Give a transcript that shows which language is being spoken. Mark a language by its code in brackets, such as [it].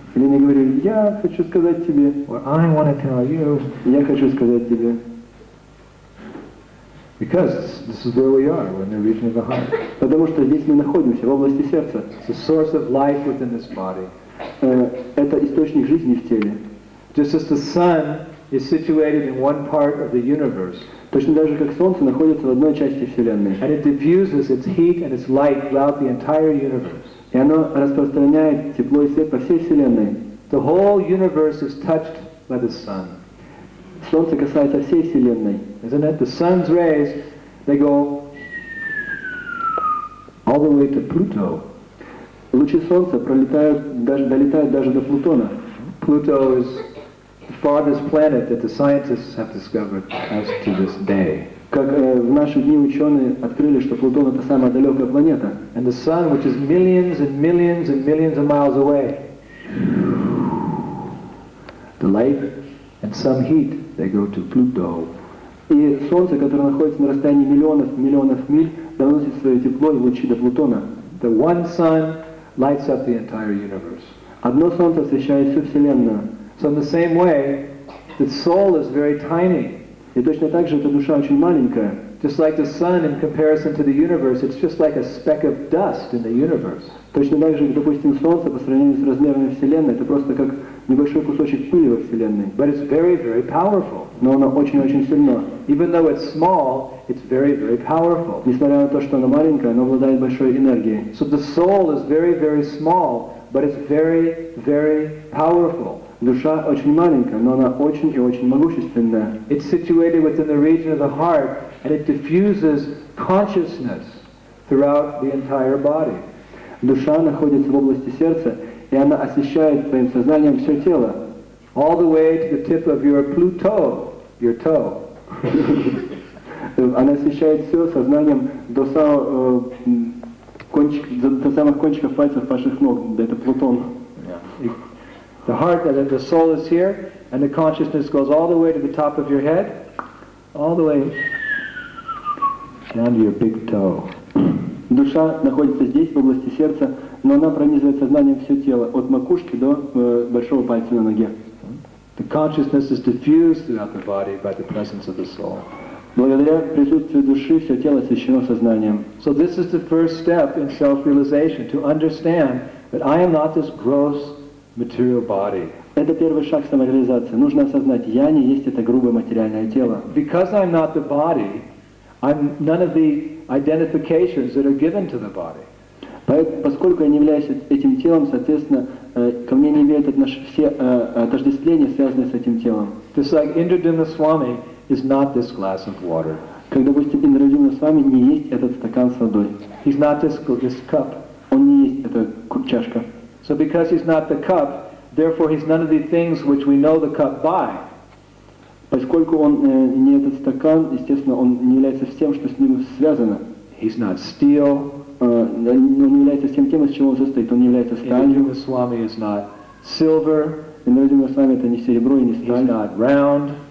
[ru] Или не говорю, я хочу сказать тебе. [en] Or, I want to tell you. [ru] Я хочу сказать тебе. [en] Because this is where we are, we're in the region of the heart. [ru] Потому что здесь мы находимся, в области сердца. [en] It's the source of life within this body. [ru] Это источник жизни в теле. [en] Just as the sun is situated in one part of the universe. [ru] Точно так же, как Солнце находится в одной части Вселенной. [en] And it diffuses its heat and its light throughout the entire universe. [ru] И оно распространяет тепло и свет по всей Вселенной. [en] The whole universe is touched by the sun. [ru] Солнце касается всей Вселенной. [en] Isn't it? The sun's rays, they go all the way to Pluto. [ru] Лучи Солнца долетают даже до Плутона. [en] Pluto is the farthest planet that the scientists have discovered as to this day. [ru] Как в наши дни ученые открыли, что Плутон это самая далекая планета. [en] And the sun, which is millions and millions and millions of miles away, the light and some heat, they go to Pluto. [ru] И Солнце, которое находится на расстоянии миллионов и миллионов миль, доносит свое тепло и лучи до Плутона. [en] The one sun lights up the entire universe. [ru] Одно Солнце освещает всю Вселенную. [en] So in the same way, the soul is very tiny. [ru] И точно так же эта душа очень маленькая. [en] Just like the sun in comparison to the universe, it's just like a speck of dust in the universe. [ru] Точно так же, допустим, Солнце по сравнению с размерами Вселенной, это просто как небольшой кусочек пыли во Вселенной. [en] But it's very, very powerful. [ru] Но оно очень-очень сильно. [en] Even though it's small, it's very, very powerful. [ru] Несмотря на то, что оно маленькое, оно обладает большой энергией. [en] So the soul is very, very small, but it's very, very powerful. [ru] Душа очень маленькая, но она очень и очень могущественная. [en] It's situated within the region of the heart, and it diffuses consciousness throughout the entire body. [ru] Душа находится в области сердца, и она освещает своим сознанием все тело. [en] All the way to the tip of your Pluto, your toe. [ru] она освещает все сознанием до самого до самых кончиков пальцев ваших ног, да, это Плутон. [en] The heart, that the soul is here, and the consciousness goes all the way to the top of your head, all the way down to your big toe. [ru] Душа находится здесь, в области сердца, но она пронизывает сознанием все тело, от макушки до большого пальца на ноге. [en] The consciousness is diffused throughout the body by the presence of the soul. [ru] Благодаря присутствию души все тело освящено сознанием. [en] So this is the first step in self-realization, to understand that I am not this gross material body. [ru] Это первый шаг самореализации. Нужно осознать, я не есть это грубое материальное тело. [en] Because I'm not the body, I'm none of the identifications that are given to the body. [ru] Поскольку я не являюсь этим телом, соответственно, ко мне не имеют все отождествления, связанные с этим телом. [en] Just like Indrajuna Swami is not this glass of water. [ru] Как, допустим, Индрадьюмна Свами не есть этот стакан с водой. [en] He's not this cup. [ru] Он не есть эта чашка. [en] So because he's not the cup, therefore he's none of the things which we know the cup by. [ru] Поскольку он не этот стакан, естественно, он не является всем, что с ним связано. [en] He's not steel. [ru] Он не является всем тем, из чего он состоит. Он не является сталью. [en] Индрадьюмна Свами is not silver. [ru] Индрадьюмна Свами это не серебро и не сталь. [en] He's not round.